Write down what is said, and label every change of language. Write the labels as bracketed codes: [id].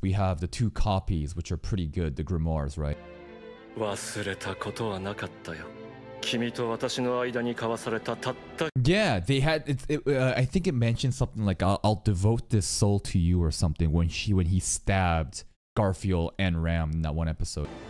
[en] We have the two copies, which are pretty good, the grimoires, right? [ja] 忘れたことはなかったよ。 [en] Yeah, they had. I think it mentioned something like, I'll devote this soul to you or something when he stabbed Garfield and Ram in that one episode.